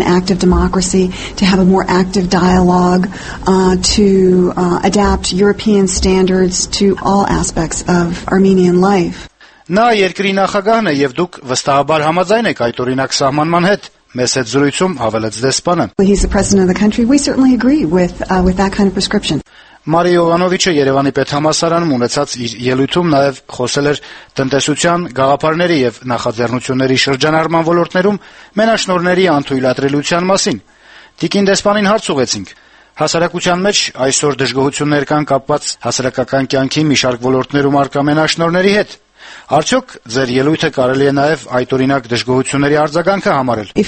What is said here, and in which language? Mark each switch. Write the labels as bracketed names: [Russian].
[English] Active democracy to have a more active dialogue to adapt European standards to all aspects of Armenian life. [Armenian] Նա երկրի նախագահն է եւ դուք վստահաբար համաձայն եք այդ օրինակ սահմանման հետ, մեզ հետ զրույցում հավելեց դեսպանը. [English] He's the president of the country. We certainly agree with that kind of prescription. [Armenian] Մարի Յովանովիչը Երևանի պետհամասարանում ունեցած իր ելույթում նաև խոսել էր տնտեսության, գաղափարների եւ նախաձեռնությունների շրջանառման ոլորտներում մենաշնորների անթույլատրելության մասին։ Տիկին դեսպանին հարց ուղեցինք. Հասարակության մեջ այսօր դժգոհություններ կան կապված հասարակական կյանքի մի շարք ոլորտներում առկա մենաշնորների հետ։ Արդյոք ձեր ելույթը կարելի է նաև այդ օրինակ դժգոհությունների արձագանքը համարել։